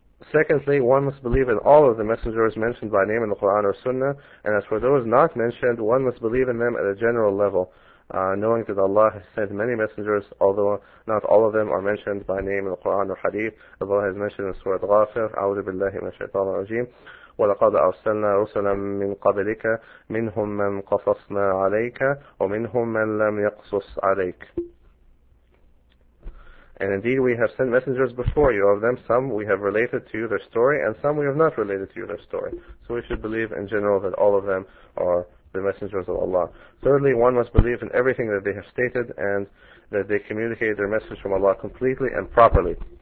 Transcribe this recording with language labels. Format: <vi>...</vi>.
<en>Secondly, one must believe in all of the messengers mentioned by name in the Quran or Sunnah, and as for those not mentioned, one must believe in them at a general level, knowing that Allah has sent many messengers, although not all of them are mentioned by name in the Quran or Hadith. Allah has mentioned in Surah Ghafir,</en> <ar>A'udhu billahi min shaitan rajim, وَلَقَدْ أَرْسَلْنَا رُسُلًا مِّن قَبْلِكَ مِنْهُم مَّن قَصَصْنَا عَلَيْكَ وَمِنْهُم مَّن لَّمْ يَقْصُصْ عَلَيْكَ.</ar> <en>And indeed, we have sent messengers before you. Of them, some we have related to you their story, and some we have not related to you their story. So we should believe in general that all of them are the messengers of Allah. Thirdly, one must believe in everything that they have stated, and that they communicated their message from Allah completely and properly.</en>